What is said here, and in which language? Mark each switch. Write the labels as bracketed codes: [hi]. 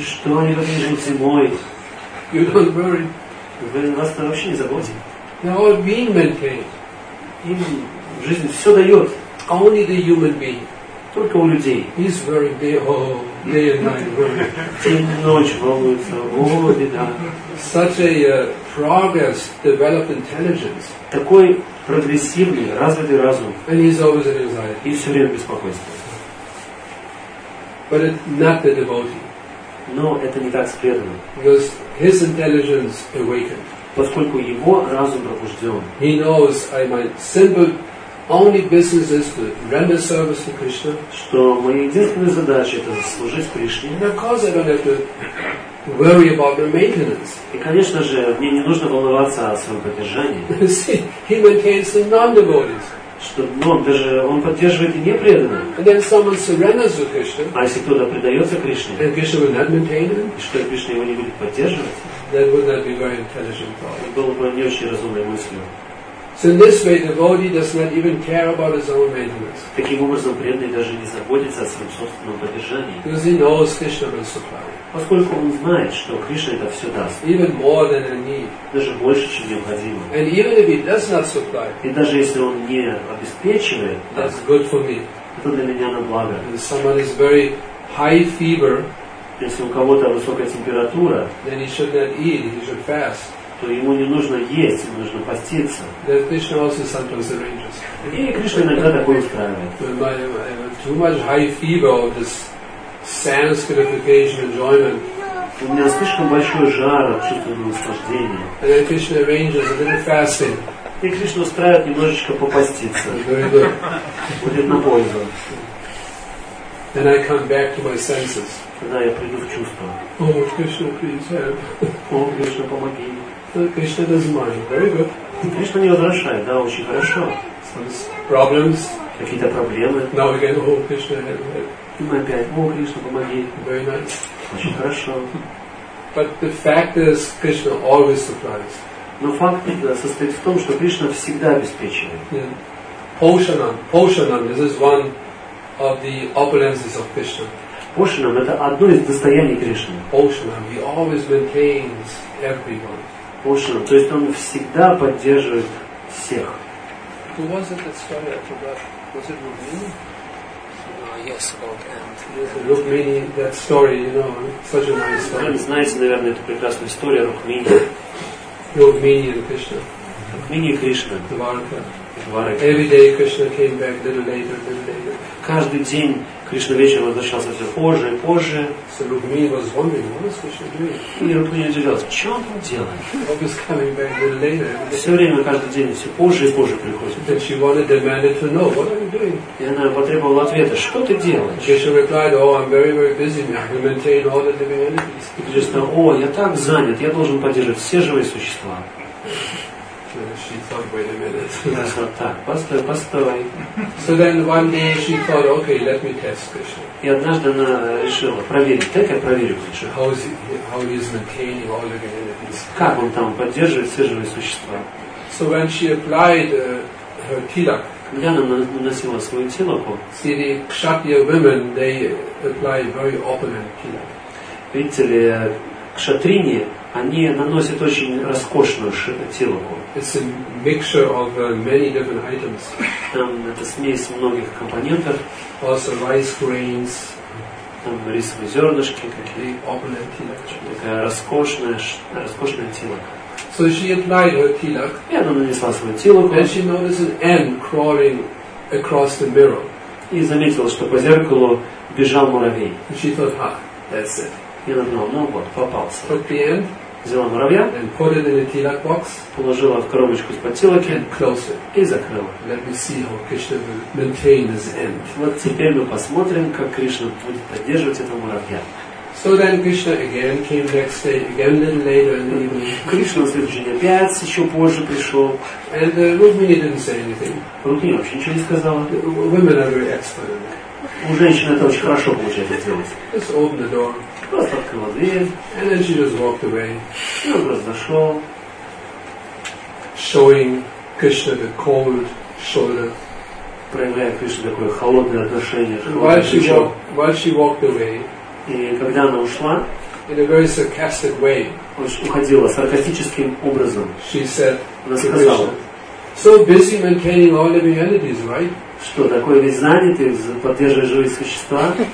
[ru] Что они там делают зимой? [en] You don't worry. [ru] Вы нас там вообще не заботите. [en] They're all being maintained. [ru] Им жизнь все дает. [en] Only the human being. [ru] Только у людей. [en] He's worried day and night. [ru] День и ночь волнуется. О, беда. [en] Such a progress, develop intelligence. [ru] Такой прогрессивный, развитый разум. [en] And he's always in anxiety. [ru] И все время беспокойство. [en] But it's not the devotee. [ru] Но это не так с преданным. [en] Because his intelligence awakened. [ru] Поскольку его разум пробужден. [en] He knows I might simple. Only business is to render service to Krishna. [ru] Что моя единственная задача это служить Кришне. [en] And of course I don't have to worry about the maintenance. [ru] И конечно же мне не нужно волноваться о своем поддержании. [en] He maintains the non-devotees. [ru] Что, ну, он поддерживает и непреданных. [en] And then someone surrenders to Krishna. [ru] А если кто-то предается Кришне? [en] And Krishna will not maintain him. [ru] И что Кришна его не будет поддерживать? [en] That would not be very intelligent thought. [ru] Было бы не очень разумной мыслью. [en] So in this way, devotee does not even care about his own maintenance. [ru] Таким образом, преданный даже не заботится о своем собственном поддержании. [en] Because he knows Krishna will supply. [ru] Поскольку он знает, что Кришна это все даст. [en] Even more than a need. [ru] Даже больше, чем необходимо. [en] And even if he does not supply. [ru] И даже если он не обеспечивает. [en] That's good for me. [ru] Это для меня на благо. [en] If someone is very high fever. [ru] Если у кого-то высокая температура. [en] Then he should not eat. He should fast. [ru] То ему не нужно есть, ему нужно поститься. [en] That Krishna also sometimes arranges. [ru] И Кришна иногда такое устраивает. [en] But I have too much high fever of this sense gratification enjoyment. [ru] У меня слишком большой жар от чувственного наслаждения. [en] And Krishna arranges a little fasting. [ru] И Кришна устраивает немножечко попаститься. Будет на пользу. [en] Then I come back to my senses. [ru] Тогда я приду в чувство. [en] Oh, Krishna, please help. [ru] О, Кришна, помоги. Кришна доживает. [en] Very good. [ru] Кришна не возвращает, да, очень хорошо. [en] Some problems. [ru] Какие-то проблемы. [en] Now we get home, Кришна, help. [ru] И мы опять, о, Кришна, помоги. [en] Very nice. [ru] Очень хорошо. [en] But the fact is, Krishna always supplies. [ru] Но факт состоит в том, что Кришна всегда обеспечивает. [sa] Poshanam. Poshanam. [en] This is one of the opulences of Krishna. [ru] Poshanam — это одно из достояний Кришны. [sa] Poshanam. [en] He always maintains everyone. [ru] Пушина, то есть он всегда поддерживает всех. [en] Who was it that story about? Was it Rukmini? Yes, about Ant. Rukmini, that story, you know, such a nice story. [ru] Вы знаете, наверное, эту прекрасную историю Рукмини. [en] Rukmini and Krishna. Rukmini and Krishna. Dvaraka. Dvaraka. Every day Krishna came back a little later, a little later. [ru] Каждый день Кришна вечером возвращался все позже и позже. [en] So Rukmini was wondering, what is Krishna doing? [ru] И Рукмини удивлялся, в чем он делает? [en] Always coming back a little later. [ru] Все время, каждый день, все позже и позже приходит. [en] And she wanted, demanded to know, what are you doing? [ru] И она потребовала ответа, что ты делаешь? [en] Krishna replied, oh, I'm very, very busy, I have to maintain all the living entities. [ru] И Кришна, о, я так занят, я должен поддерживать все живые существа. [en] She thought, wait a minute. [ru] Так, постой, постой. [en] So then one day she thought, okay, let me test Krishna. [ru] И однажды она решила проверить, так я проверю Кришну. [en] How he is maintaining all the living entities. [ru] Как он там поддерживает все живые существа? [en] So when she applied her tilak. [ru] Когда она наносила свою тилаку. [en] See, the kshatriya women, they apply very opulent tilak. [ru] Видите ли, кшатрини, они наносят очень роскошную тилаку. [en] It's a mixture of many different items. [ru] Там это смесь многих компонентов. [en] Also rice grains. [ru] Там рисовые зернышки какие. [en] Opulent tilak. [ru] Такая роскошная тилака. [en] So she applied her tilak. [ru] И она нанесла свою тилаку. [en] And she noticed an ant crawling across the mirror. [ru] И заметила, что по зеркалу бежал муравей. [en] And she thought, ha, that's it. [ru] И она думала, ну вот, попался. [en] Put the ant. [ru] Взяла муравья, [en] and put it in a tilak box, [ru] положила в коробочку из-под тилаки [en] and close it. [ru] И закрыла. [en] Let me see how Krishna will maintain his end. [ru] Вот теперь мы посмотрим, как Кришна будет поддерживать этого муравья. [en] So then Krishna again came next day, again a little later in the evening. [ru] Кришна на следующий день опять еще позже пришел. [en] And Rukmini didn't say anything. [ru] Rukmini вообще ничего не сказала. [en] Women are very expert. [ru] У женщин это очень хорошо получается делать. [en] Just open the door. [ru] Просто открыла дверь. [en] And then she just walked away. [ru] И он разошел. [en] Showing Krishna the cold shoulder. [ru] Проявляя Кришне такое холодное отношение. [en] While she walked away. [ru] И когда она ушла. [en] In a very sarcastic way. [ru] Уходила саркастическим образом. [en] She said, [ru] она сказала. [en] So busy maintaining all living entities, right? [ru] Что, такой весь занятый, поддерживая живые существа?